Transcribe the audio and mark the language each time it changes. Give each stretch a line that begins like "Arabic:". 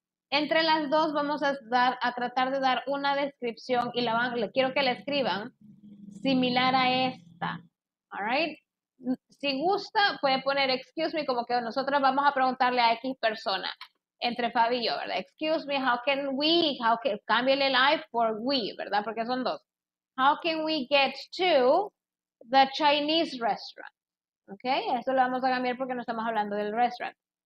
Spanish: Entre las dos vamos a tratar de dar una descripción y quiero que la escriban similar a esta, all right? Si gusta, puede poner excuse me, como que nosotros vamos a preguntarle a X persona, entre Fabi y yo, ¿verdad?
English: Excuse me, how can,
Spanish: cámbiale el I por we, ¿verdad? Porque son dos.
English: How can we get to the Chinese restaurant? ¿Ok?
Spanish: Eso lo vamos a cambiar porque no estamos hablando del restaurant.